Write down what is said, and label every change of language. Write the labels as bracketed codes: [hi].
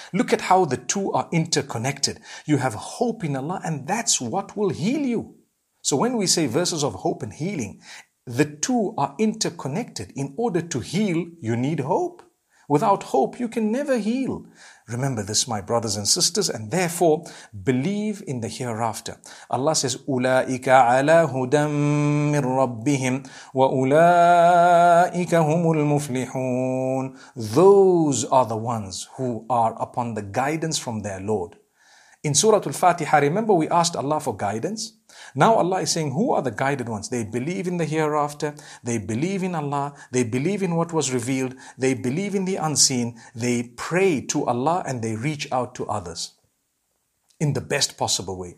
[en] Look at how the two are interconnected. You have hope in Allah, and that's what will heal you. So when we say verses of hope and healing, the two are interconnected. In order to heal, you need hope. Without hope, you can never heal. Remember this, my brothers and sisters, and therefore, believe in the hereafter. Allah says, [ar] أُولَٰئِكَ عَلَىٰ هُدًى مِّن رَبِّهِمْ وَأُولَٰئِكَ هُمُ الْمُفْلِحُونَ. [en] Those are the ones who are upon the guidance from their Lord. In Surah Al-Fatiha, remember we asked Allah for guidance? Now Allah is saying, who are the guided ones? They believe in the hereafter. They believe in Allah. They believe in what was revealed. They believe in the unseen. They pray to Allah and they reach out to others in the best possible way.